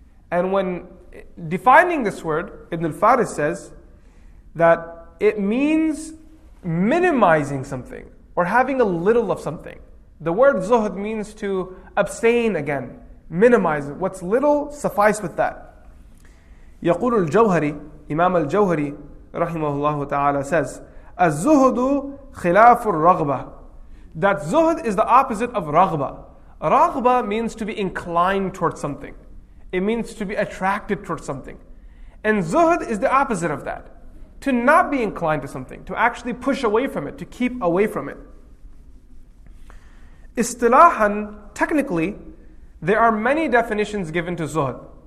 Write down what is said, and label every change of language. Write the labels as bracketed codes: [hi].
[en] And when defining this word, Ibn al-Faris says that it means minimizing something or having a little of something. The word zuhd means to abstain again, minimize it. What's little, suffice with that. [ar] يقول الجوهري, إمام الجوهري رحمه الله تعالى [en] says, [ar] الزهد خلاف الرغبة. [en] That zuhd is the opposite of raghba. Raghba means to be inclined towards something. It means to be attracted towards something. And zuhd is the opposite of that. To not be inclined to something, to actually push away from it, to keep away from it. Istilahan, technically, there are many definitions given to zuhd.